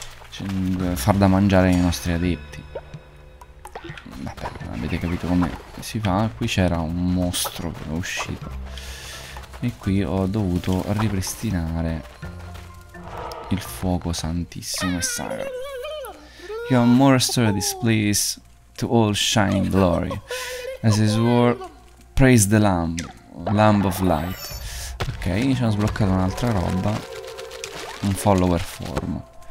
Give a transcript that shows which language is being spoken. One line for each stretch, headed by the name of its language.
Italian: Cioè, far da mangiare ai nostri adepti. Vabbè, non avete capito come si fa. Qui c'era un mostro che è uscito. E qui ho dovuto ripristinare il fuoco santissimo e sacro.
English: Your monster displays to all shine glory as his war. Praise the Lamb, Lamb of Light.
Italian: Ok, ci hanno sbloccato un'altra roba. Un follower form.